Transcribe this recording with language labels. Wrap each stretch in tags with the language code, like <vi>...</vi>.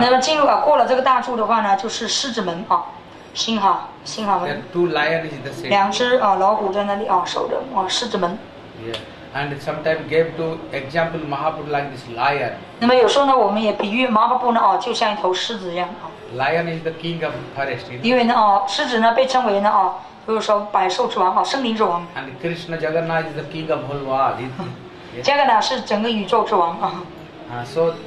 <zh>那么进入过了这个大柱的话呢，就是狮子门啊，星哈门。</zh> <en>Two lions is the same.</en> <zh>两只老虎在那里啊，守着啊，狮子门。</zh> <en>Yeah, and sometimes gave to example Mahaprabhu like this lion.</en> <zh>那么有时候呢，我们也比喻马哈布呢啊，就像一头狮子一样啊。</zh> <en>Lion is the king of forest.</en> <zh>因为呢，狮子呢被称为呢，比如说百兽之王，圣灵之王。</zh> <en>And Krishna Jagannath is the king of whole world.</en> <zh>这个呢是整个宇宙之王啊。</zh> <en>So</en>